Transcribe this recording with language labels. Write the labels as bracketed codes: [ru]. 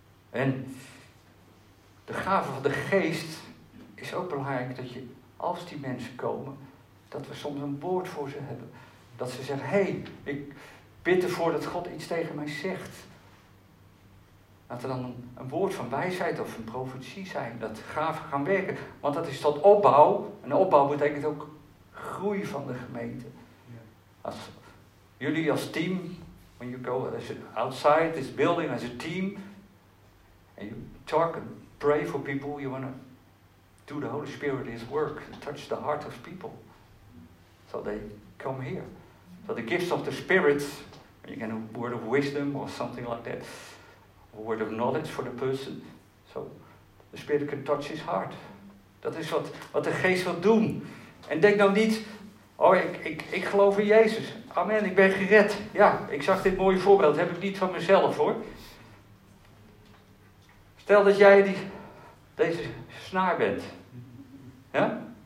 [nl] En de gave van de geest is ook belangrijk dat je, als die mensen komen, dat we soms een woord voor ze hebben. Dat ze zeggen, hé, ik bid ervoor dat God iets tegen mij zegt. Dat er dan een woord van wijsheid of een profetie zijn. Dat gaven gaan werken. Want dat is tot opbouw. En opbouw betekent ook groei van de gemeente. Ja. Als jullie als team, [en] when you go outside this building as a team, and you talk and pray for people, you want to do the Holy Spirit His work. And touch the heart of people. So they come here. So the gifts of the Spirit, you can have a word of wisdom or something like that. Word of knowledge for the person. So the Spirit can touch his heart. [nl] Dat is wat de geest wil doen. En denk dan niet, oh, ik geloof in Jezus. Amen, ik ben gered. Ja, ik zag dit mooie voorbeeld. Heb ik niet van mezelf, hoor. Stel dat jij deze snaar bent. Ja?